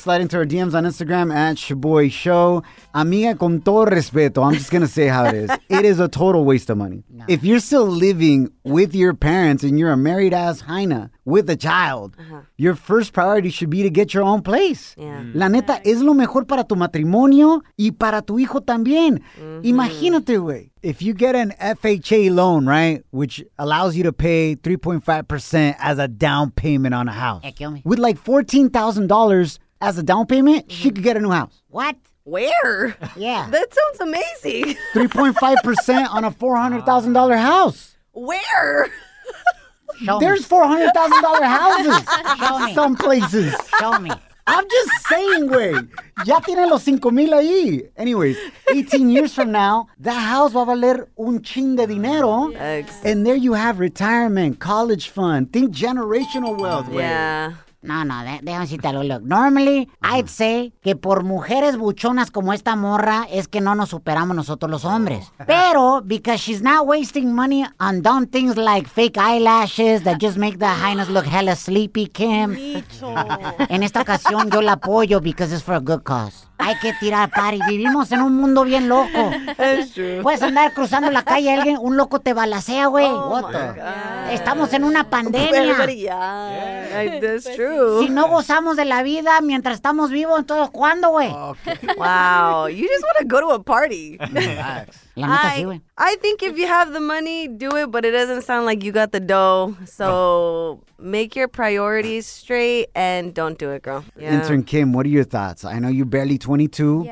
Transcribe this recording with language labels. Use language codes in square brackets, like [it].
[en] Slide into our DMs on Instagram at Shaboy Show. [es] Amiga, con todo respeto, [en] I'm just going to say how it is. It is a total waste of money. No. If you're still living with your parents and you're a married ass hyena with a child, your first priority should be to get your own place. Yeah. [es] La neta, es lo mejor para tu matrimonio y para tu hijo también. Mm-hmm. Imagínate, güey. [en] If you get an FHA loan, right, which allows you to pay 3.5% as a down payment on a house. Yeah, kill me. With like $14,000 as a down payment, mm-hmm. she could get a new house. What? Where? Yeah. That sounds amazing. 3.5% on a $400,000 house. Where? Show me. There's $400,000 houses. Show me. Some places. Show me. I'm just saying, güey. [es] Ya tiene los 5,000 ahí. [en] Anyways, 18 years from now, that house [es] va a valer un chin de dinero. [en] Thanks. And there you have retirement, college fund. Think generational wealth, güey. Yeah. [es] No, déjame decirte algo. [en] Look, normally, I'd say [es] que por mujeres buchonas como esta morra es que no nos superamos nosotros los hombres. [en] Pero, because she's not wasting money on dumb things like fake eyelashes that just make the hyenas look hella sleepy, Kim. Micho. [es] En esta ocasión, yo la apoyo [en] because it's for a good cause. [es] Hay que tirar party. Vivimos en un mundo bien loco. [en] That's true. [es] Puedes andar cruzando la calle, alguien, un loco te balacea, güey. [en] Oh, what my God. [es] Estamos en una pandemia. [en] That's true. [es] Si no gozamos de la vida mientras estamos vivos, entonces, ¿cuándo, güey? [en] Okay. Wow. You just want to go to a party. [es] La neta, sí, güey. [en] I think if you have the money, do it, but it doesn't sound like you got the dough. So make your priorities straight and don't do it, girl. Yeah. Intern Kim, what are your thoughts? I know you're barely 22,